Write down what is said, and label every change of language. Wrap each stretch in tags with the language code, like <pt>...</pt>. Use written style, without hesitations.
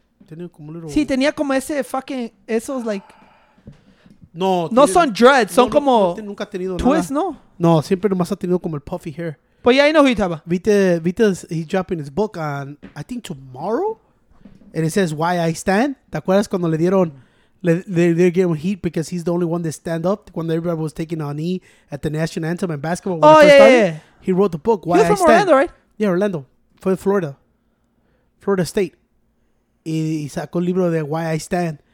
<es>Tenía como little. Sí, tenía como ese fucking, esos like. No, no son dreads, son como nunca tenido twist, nada. No, siempre nomás ha tenido como el puffy hair.</es> <en>But yeah, I know who you're talking about. Vita, he's dropping his book on, I think, tomorrow. And it says, Why I Stand.</en> <es>¿Te acuerdas cuando le dieron,</es> <en>they're getting heat because he's the only one that stand up when everybody was taking a knee at the National Anthem and basketball? He wrote the book, Why I Stand. He's from Orlando, right? Yeah, Orlando. For Florida State.</en> <es>Y sacó el libro de Why I Stand.</es>